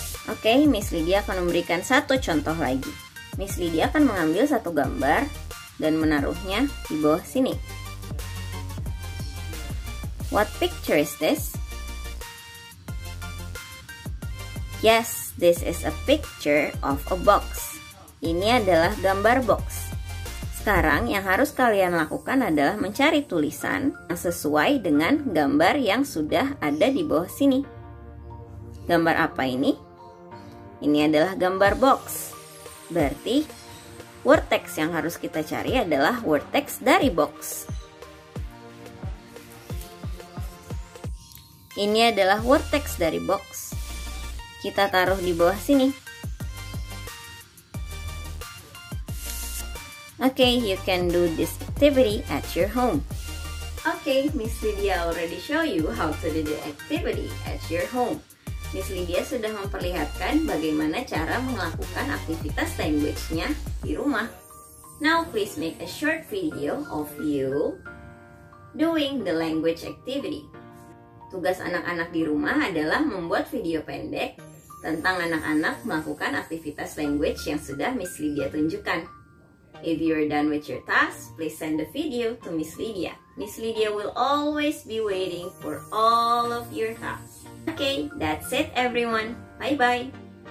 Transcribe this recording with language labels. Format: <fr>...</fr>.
<id>Okay, Miss Lydia akan memberikan satu contoh lagi. Miss Lydia akan mengambil satu gambar dan menaruhnya di bawah sini.</id> <en>What picture is this? Yes, this is a picture of a box.</en> <id>Ini adalah gambar box. Sekarang yang harus kalian lakukan adalah mencari tulisan yang sesuai dengan gambar yang sudah ada di bawah sini. Gambar apa ini? Ini adalah gambar box. Berarti word text yang harus kita cari adalah word text dari box. Ini adalah word text dari box. Kita taruh di bawah sini.</id> <en>Okay, you can do this activity at your home. Okay, Miss Lydia already show you how to do the activity at your home.</en> <id>Miss Lydia sudah memperlihatkan bagaimana cara melakukan aktivitas language-nya di rumah.</id> <en>Now please make a short video of you doing the language activity.</en> <id>Tugas anak-anak di rumah adalah membuat video pendek tentang anak-anak melakukan aktivitas language yang sudah Miss Lydia tunjukkan.</id> <en>If you're done with your task, please send the video to Miss Lydia. Miss Lydia will always be waiting for all of your tasks. Okay, that's it everyone. Bye-bye.</en>